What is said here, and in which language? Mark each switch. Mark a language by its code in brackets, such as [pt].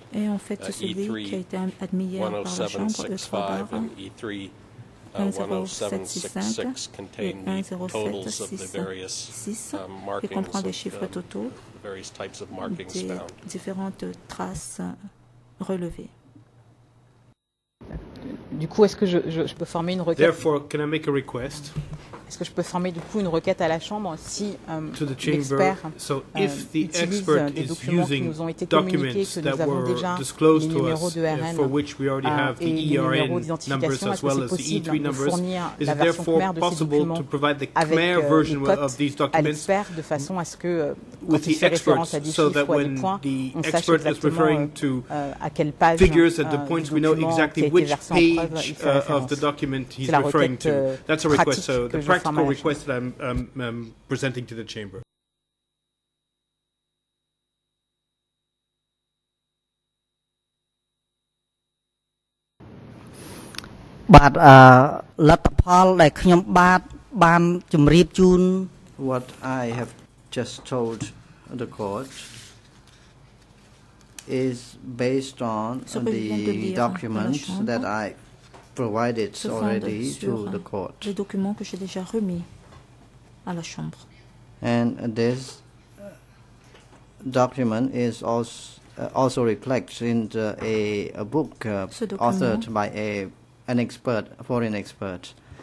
[fr] Et en fait, E3-10765 [en] and E3-10766 contain the totals of the various markings the various types of markings found. [fr] Différentes traces relevées. Du coup, est-ce que je peux former une requête? [en] Therefore, can I make a request? [fr] Est-ce que je peux former du coup une requête à la chambre si l'expert utilise des documents qui nous ont été communiqués, que nous avons déjà les numéros de RN et les numéros d'identification, est-ce que c'est possible de fournir la version Khmer de ces documents avec les codes à l'expert de façon à ce que quand il fait référence à des chiffres ou à des points, on sache exactement à quelle page du document qui a été versé en preuve il fait référence. C'est la requête pratique que je fais. [en] Practical request that I'm presenting to the chamber. But Lattapal, like Khyom Bat, Ban, Jumrib Jun. What I have just told the court is based on the documents that I provided already to the court. [fr] Les documents que j'ai déjà remis à la chambre. [en] And this document is also reflects in a book authored by an expert, foreign expert.